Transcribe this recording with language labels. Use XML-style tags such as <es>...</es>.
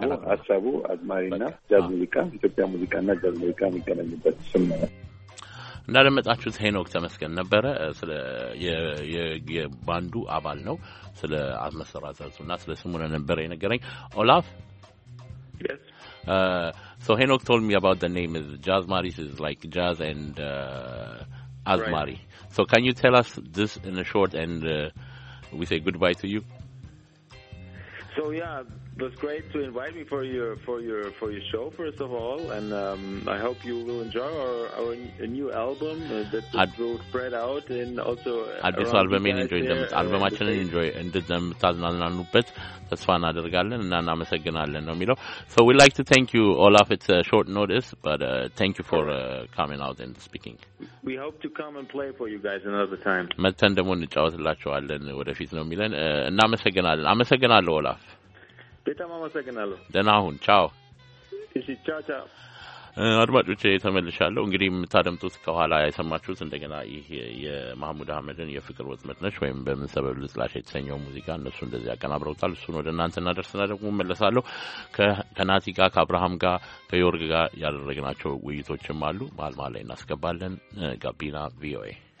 <am>ሀሳቡ አዝማሪና ጃዝ ሙዚቃ ኢትዮጵያ ሙዚቃና ጃዝ ሙዚቃ የሚገናኝበት ስም ነው። እንዳደመጣችሁት ሄኖክ ተመስገን ነበረ። ስለ የባንዱ አባል ነው። ስለ አመሰራረቱ እና ስለ ስሙ ነበረ የነገረኝ ኦላፍ።</am> <en>Yes. So Henok told me about the name is Jazz Maris is like jazz and Azmari. Right. So can you tell us this in a short and we say goodbye to you? So yeah, it was great to invite me for your show first of all, and I hope you will enjoy our new album that will spread out and also</en> <am>አዲስ አልበሜን እንጆይ እንደምት አልበማችንን እንጆይ እንድትደምት አዝናናኑበት ተስፋ እናደርጋለን እና እናመሰግናለን ነው የሚለው።</am> <en>So we'd like to thank you Olaf, it's a short notice, but thank you for coming out and speaking. We hope to come and play for you guys another time.</en> <am>መተን ደሞ እንጫወትላችኋለን ወደፊት ነው የሚለን። እናመሰግናለን። አመሰግናለሁ ኦላፍ። በጣም አመሰግናለሁ። ደህና ሁን። ቻው። እሺ ቻው ቻው። አድማጮች ተመልሻለሁ። እንግዲህ የምታደምጡት ከኋላ የሰማችሁት እንደገና ይህ የማህሙድ አህመድን የፍቅር ወጥመት ነች ወይም በምን ሰበብ ልጥላሽ የተሰኘው ሙዚቃ እነሱ እንደዚህ ያቀናብረውታል። እሱን ወደ እናንተ እናደርስና ደግሞ መለሳለሁ። ከናቲ ጋር ከአብርሃም ጋር ከዮርግ ጋር ያደረግናቸው ውይይቶችም አሉ ማል ማል ላይ እናስገባለን። ጋቢና ቪኦኤ</am>